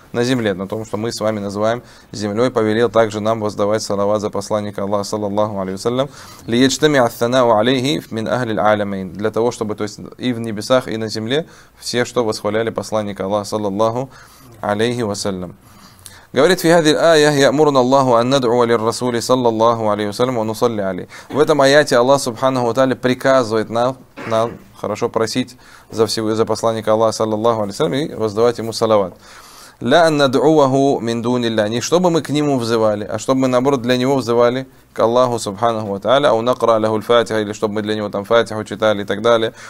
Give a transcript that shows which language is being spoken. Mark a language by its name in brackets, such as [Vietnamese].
[Russian] На земле, на том, что мы с вами называем землей, повелел также нам воздавать салават за посланника Аллаха, саллаллаху алейхи ва саллям. [Arabic] Ли яджтамиа ас-санау алейхи мин ахли аль-алямейн. [Russian] Для того, чтобы то есть и в небесах, и на земле все, что восхваляли посланника Аллаха, саллаллаху алейхи ва саллям. Говорит, в этой аяте [Arabic] يأمرنا الله أن ندعو للرسول صلى الله عليه وسلم ونصلي عليه. [Russian] В этом аяте Аллах Субханаху ва Тааля приказывает нам хорошо просить за всего за посланника Аллаха саллаллаху алейхи ва саллям и воздавать ему салават. [Arabic] لا أن ندعوه من دون الله. [Russian] Не чтобы мы к нему взывали, а чтобы мы наоборот для него взывали к Аллаху Субханаху ва Тааля, а у [Arabic] نقرأ له الفاتحة, [Russian] или чтобы мы для него там Фатиху читали и так далее.